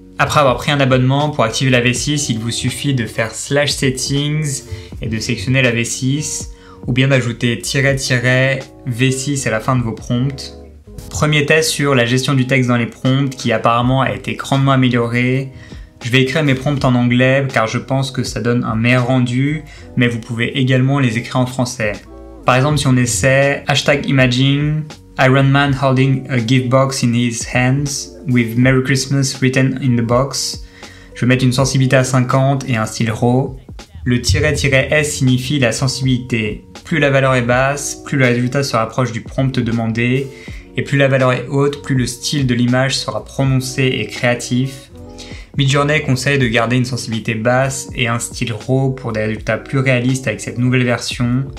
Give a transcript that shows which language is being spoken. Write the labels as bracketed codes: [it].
[fr] Après avoir pris un abonnement, pour activer la V6, il vous suffit de faire slash settings et de sélectionner la V6, ou bien d'ajouter -V6 à la fin de vos prompts. Premier test sur la gestion du texte dans les prompts qui apparemment a été grandement amélioré. Je vais écrire mes prompts en anglais car je pense que ça donne un meilleur rendu, mais vous pouvez également les écrire en français. Par exemple, si on essaie hashtag imagine [en] Iron Man holding a gift box in his hands with Merry Christmas written in the box. [fr] Je vais mettre une sensibilité à 50 et un style raw. Le -S signifie la sensibilité. Plus la valeur est basse, plus le résultat se rapproche du prompt demandé. Et plus la valeur est haute, plus le style de l'image sera prononcé et créatif. Midjourney conseille de garder une sensibilité basse et un style raw pour des résultats plus réalistes avec cette nouvelle version.